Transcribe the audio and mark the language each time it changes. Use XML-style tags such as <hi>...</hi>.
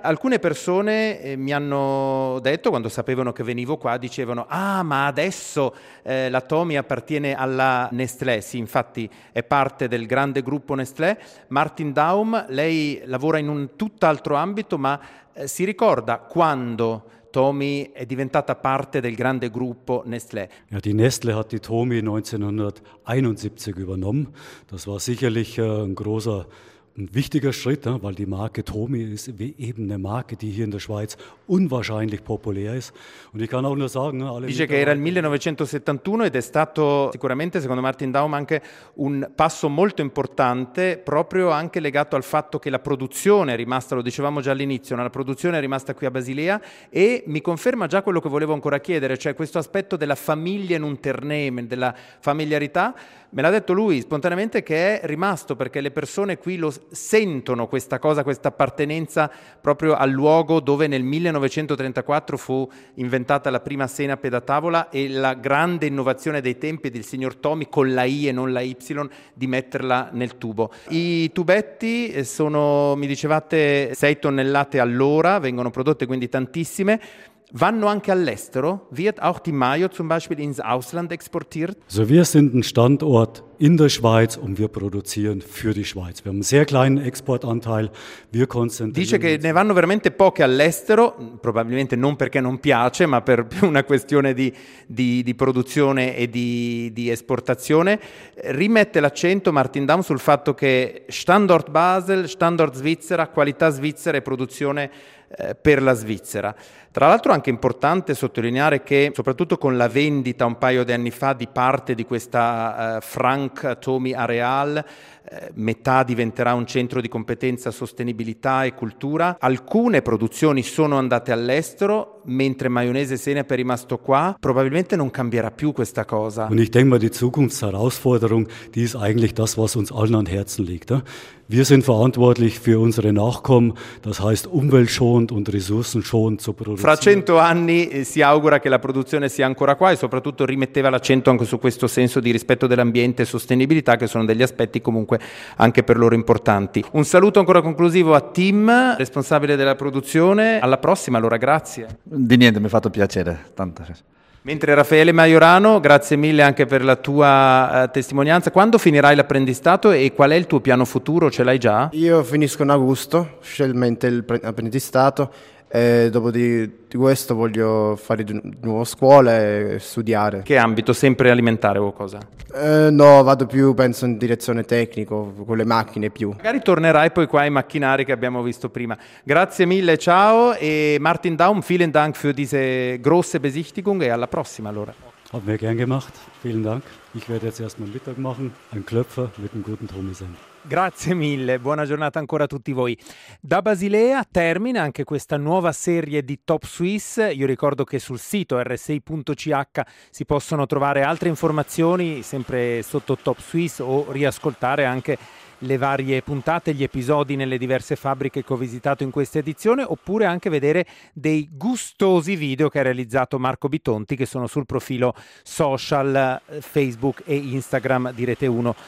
<it>Alcune persone mi hanno detto, quando sapevano che venivo qua, dicevano: ah, ma adesso la Tomi appartiene alla Nestlé. Sì, infatti è parte del grande gruppo Nestlé. Martin Daum, lei lavora in un tutt'altro ambito, ma si ricorda quando Tomi è diventata parte del grande gruppo Nestlé?</it> <de>Ja, die Nestlé hat die Tomi 1971 übernommen. Das war sicherlich ein großer, ein wichtiger Schritt, weil die Marke Tomi ist eben eine Marke, die hier in der Schweiz unwahrscheinlich populär ist. Und ich kann auch nur sagen, alle</de> <it>dice che era il 1971 ed è stato sicuramente, secondo Martin Daum, anche un passo molto importante, proprio anche legato al fatto che la produzione è rimasta, lo dicevamo già all'inizio, la produzione è rimasta qui a Basilea, e mi conferma già quello che volevo ancora chiedere, cioè questo aspetto della famiglia in un ternemen, della familiarità. Me l'ha detto lui spontaneamente che è rimasto, perché le persone qui lo sentono questa cosa, questa appartenenza proprio al luogo dove nel 1934 fu inventata la prima senape da tavola e la grande innovazione dei tempi del signor Tomi con la I e non la Y di metterla nel tubo. I tubetti sono, mi dicevate, 6 tonnellate all'ora, vengono prodotte quindi tantissime. Vanno anche all'estero?</it> <de>Wird auch die Mayo zum Beispiel ins Ausland exportiert? So, wir sind ein Standort in der Schweiz und wir produzieren für die Schweiz. Wir haben einen sehr kleinen Exportanteil. Wir konzentrieren</de> <it>dice che ne vanno veramente poche all'estero, probabilmente non perché non piace, ma per una questione di produzione e di esportazione. Rimette l'accento Martin Daum sul fatto che Standort Basel, Standort Svizzera, qualità svizzera e produzione per la Svizzera. Tra l'altro è anche importante sottolineare che, soprattutto con la vendita un paio di anni fa di parte di questa Frank Tomi Areal, metà diventerà un centro di competenza sostenibilità e cultura, alcune produzioni sono andate all'estero, mentre Maionese Senape è rimasto qua. Probabilmente non cambierà più questa cosa.</it> <de>Und ich denke mal, die Zukunftsherausforderung, die ist eigentlich das, was uns allen an Herzen liegt. Wir sind verantwortlich für unsere Nachkommen, das heißt umweltschonend und ressourcenschonend zu produzieren.</de> <it>Fra 100 anni si augura che la produzione sia ancora qua, e soprattutto rimetteva l'accento anche su questo senso di rispetto dell'ambiente e sostenibilità, che sono degli aspetti comunque anche per loro importanti. Un saluto ancora conclusivo a Tim, responsabile della produzione. Alla prossima, allora, grazie. Di niente, mi ha fatto piacere, tanto. Mentre Raffaele Maiorano, grazie mille anche per la tua testimonianza. Quando finirai l'apprendistato e qual è il tuo piano futuro? Ce l'hai già? Io finisco in agosto, scelmente l'apprendistato, e dopo di questo voglio fare di nuovo scuola e studiare. Che ambito? Sempre alimentare o cosa? No, vado più, penso, in direzione tecnico, con le macchine più. Magari tornerai poi qua ai macchinari che abbiamo visto prima. Grazie mille, ciao.</it> <de>E Martin Daum, vielen Dank für diese große Besichtigung</de> <it>e alla prossima, allora.</it> <de>Hat mir gern gemacht, vielen Dank. Ich werde jetzt erstmal Mittag machen, ein Klöpfer mit einem guten Tomisen.</de> <it>Grazie mille, buona giornata ancora a tutti voi. Da Basilea termina anche questa nuova serie di Top Swiss. Io ricordo che sul sito rsi.ch si possono trovare altre informazioni, sempre sotto Top Swiss, o riascoltare anche le varie puntate, gli episodi nelle diverse fabbriche che ho visitato in questa edizione, oppure anche vedere dei gustosi video che ha realizzato Marco Bitonti, che sono sul profilo social Facebook e Instagram di Rete 1.</it>